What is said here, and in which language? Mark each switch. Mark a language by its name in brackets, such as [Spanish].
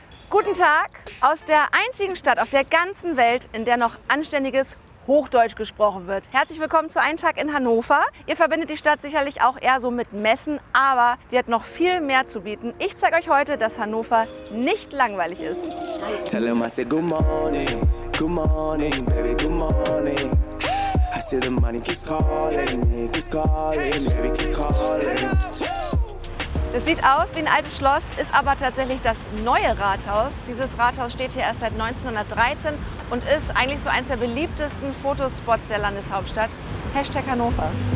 [German] Guten Tag aus der einzigen Stadt auf der ganzen Welt, in der noch anständiges Hochdeutsch gesprochen wird. Herzlich willkommen zu Ein Tag in Hannover. Ihr verbindet die Stadt sicherlich auch eher so mit Messen, aber die hat noch viel mehr zu bieten. Ich zeige euch heute, dass Hannover nicht langweilig ist. [English] Tell him I say good morning, good morning, baby, good morning. I see the money keeps calling, baby, keep calling. [German] Es sieht aus wie ein altes Schloss, ist aber tatsächlich das neue Rathaus. Dieses Rathaus steht hier erst seit 1913 und ist eigentlich so eins der beliebtesten Fotospots der Landeshauptstadt. Hashtag Hannover.